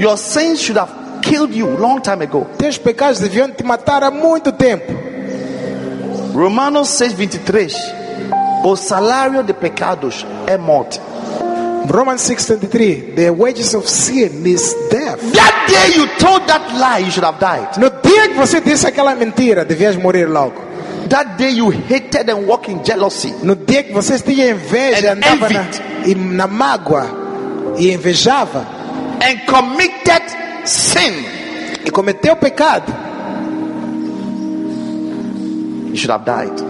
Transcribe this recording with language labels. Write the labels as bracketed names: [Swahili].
[English] Your sins should have killed you long time ago. [Portuguese] Teus pecados deviam te matar há muito tempo. Romanos 6:23. O salário de pecados é morte. [English] Romans 6:23. The wages of sin is death. That day you told that lie, you should have died. [Portuguese] No dia que você disse aquela mentira, devias morrer logo. [English] That day you hated and walked in jealousy. [Portuguese] No dia que você tinha inveja [English] and [Portuguese] andava na mágoa e invejava. [English] And committed sin. [Portuguese] e cometeu pecado, [English] you should have died.